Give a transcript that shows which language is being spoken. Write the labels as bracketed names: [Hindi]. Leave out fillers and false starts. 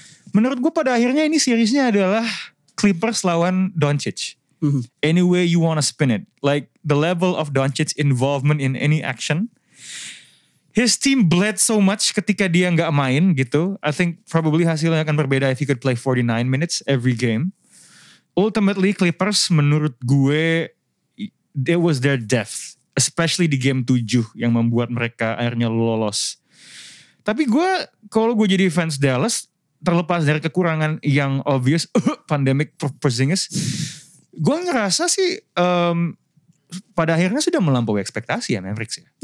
[Indonesian] Menurut gue pada akhirnya ini seriesnya adalah Clippers lawan Doncic. [English] Any way you wanna spin it. Like the level of Doncic's involvement in any action. His team bled so much [Indonesian] ketika dia gak main gitu. [English] I think probably [Indonesian] hasilnya akan berbeda [English] if he could play 49 minutes every game. Ultimately Clippers [Indonesian] menurut gue, [English] it was their death. [Indonesian] Especially di game 7 yang membuat mereka akhirnya lolos. Tapi gue, kalau gue jadi fans Dallas, terlepas dari kekurangan yang obvious, pandemic Porzingis, gue ngerasa sih pada akhirnya sudah melampaui ekspektasi ya Mavericks ya.